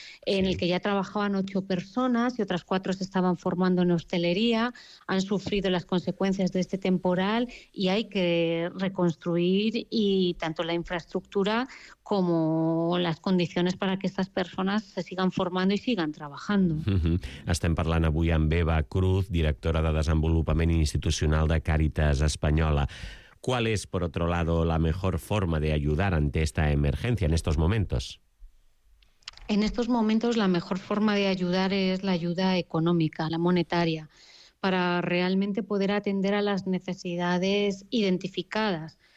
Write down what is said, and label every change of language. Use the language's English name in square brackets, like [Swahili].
[Spanish] en el que ya trabajaban 8 personas y otras 4 se estaban formando en hostelería, han sufrido las consecuencias de este temporal y hay que reconstruir y tanto la infraestructura como las condiciones para que estas personas se sigan formando y sigan trabajando. Uh-huh. [Catalan] Estem parlant avui amb Eva Cruz, directora de Desenvolupament Institucional de Càritas Espanyola. [Spanish] ¿Cuál es, por otro lado, la mejor forma de ayudar ante esta emergencia en estos momentos? En estos momentos la mejor forma de ayudar es la ayuda económica, la monetaria, para realmente poder atender a las necesidades identificadas.